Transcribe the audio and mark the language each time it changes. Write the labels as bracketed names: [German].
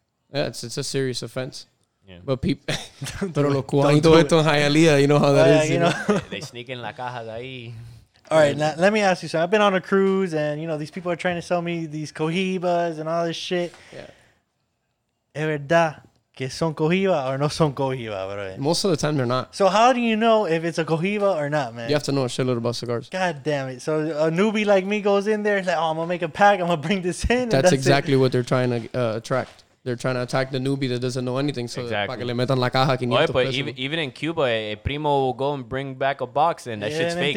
[English] It's a serious offense. Yeah. But people... Don't do it. You know how that is. They sneak in [Spanish] la caja de ahí. [English] All right, now, let me ask you something. I've been on a cruise, and, you know, these people are trying to sell me these Cohibas and all this shit. Yeah. [Spanish] ¿Es verdad que son Cohiba or no son Cohiba, bro? [English] Most of the time, they're not. So how do you know if it's a Cohiba or not, man? You have to know a shitload about cigars. God damn it. So a newbie like me goes in there and like, oh, I'm going to make a pack. I'm going to bring this in. That's exactly what they're trying to attract. They're trying to attack the newbie that doesn't know anything. So exactly. [Spanish] Para que le metan la caja. [English] Even in Cuba, a primo will go and bring back a box and that shit's fake.